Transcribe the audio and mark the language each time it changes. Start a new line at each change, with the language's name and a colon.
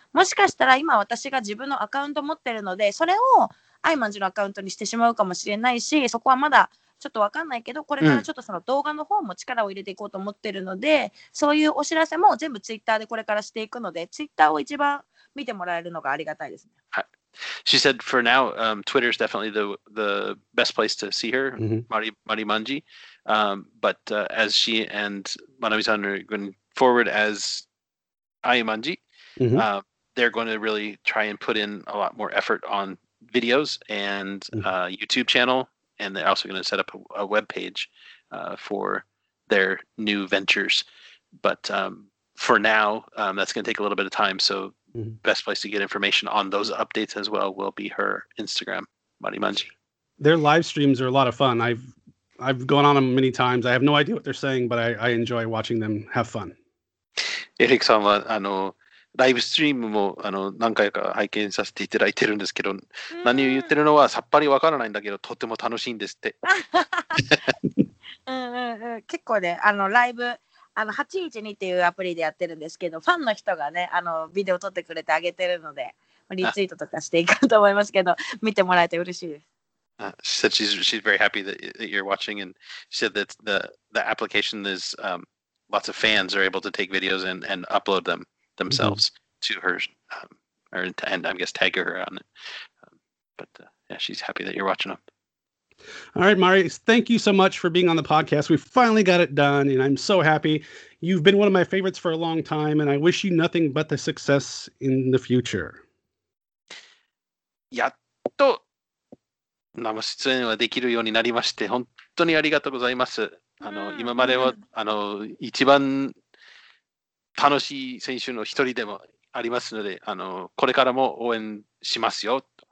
Japanese: もしかしたら今私が自分のアカウント持ってるので、それをアイマンジのアカウントにしてしまうかもしれないし、そこはまだちょっと分かんないけど、これからちょっとその動画の方も力を入れていこうと思ってるので、うん、そういうお知らせも全部 Twitter でこれからしていくので、 Twitter を一番見てもらえるのがありがたいですね。
English: はい。She said for now,、Twitter is definitely the best place to see her,、mm-hmm. Mari Manji.、But、as she and Manami-san are going forward as Ai Manji,、mm-hmm. They're going to really try and put in a lot more effort on videos and、mm-hmm. YouTube channel. And they're also going to set up a web page、for their new ventures. But、for now,、that's going to take a little bit of time. So,best place to get information on those updates as well will be her Instagram, Mari Manji. Their live streams are a lot of fun. I've gone on them many times. I have no idea what they're saying, but I enjoy watching them have fun.
Japanese: エリクさんはあのライブストリームもあの何回か拝見させていただいてるんですけど、何を言ってるのはさっぱりわからないんだけど、とても楽しいんですって。結構ね、あのライブ、あの812っていうアプリでやってるんですけど、ファンの人がね、あのビデオ撮ってくれてあげてるので、リツイートとかしていこうと思いますけど、見てもらえて嬉しいです。
English: She said she's very happy that you're watching, and she said that the application is、lots of fans are able to take videos and upload them themselves、mm-hmm. to her、and I guess tag her on it、but、yeah, she's happy that you're watching them. All right, Mari, thank you so much for being on the podcast. We finally got it done, and I'm so happy. You've been one of my favorites for a long time, and I wish you nothing but the success in the future.
Japanese: やっと生出演はできるようになりまして、本当にありがとうございます。あの、今まではあの一番楽しい選手の一人でもありますので、あの、これからも応援しますよ。